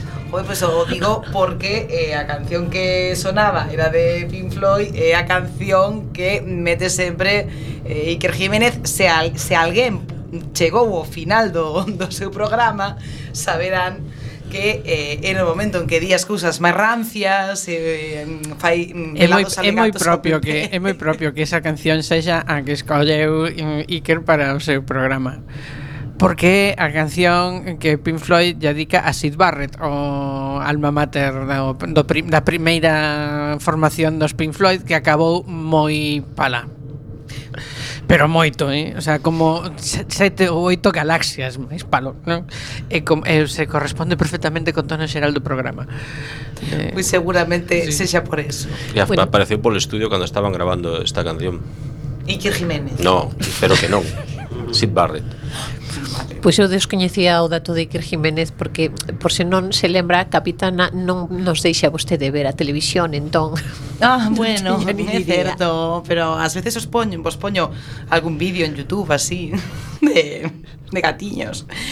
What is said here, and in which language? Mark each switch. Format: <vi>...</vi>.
<es>Joder, pues lo digo porque la canción que sonaba era de Pink Floyd, la canción que mete siempre Iker Jiménez, si alguien llegó al final de su programa, saberán que en el momento en que</es> <gl>di as cousas máis rancias fai moi propio que é moi propio que esa canción sexa a que escolleu Iker para o seu programa. Porque a canción que Pink Floyd dedica a Syd Barrett, o alma mater da primeira formación dos Pink Floyd, que acabou moi pala. Pero moito, ¿eh? O sea, como 7 ou 8 galaxias máis palo, ¿no? Se corresponde perfectamente con tono xeral do programa.</gl> <es>Muy seguramente sí.</es> <gl>Sexa por eso.</gl> <es>Y bueno. Apareció por el estudio cuando estaban grabando esta canción. Iker Jiménez.</es> <gl>No, espero que non. Syd Barrett. Pues eu descoñecía o dato de Iker Jiménez porque, por se non se lembra, Capitana non nos deixa vostede ver a televisión, entón. Ah, bueno, é certo, pero ás veces vos poño algún vídeo en YouTube así de gatiños.</gl>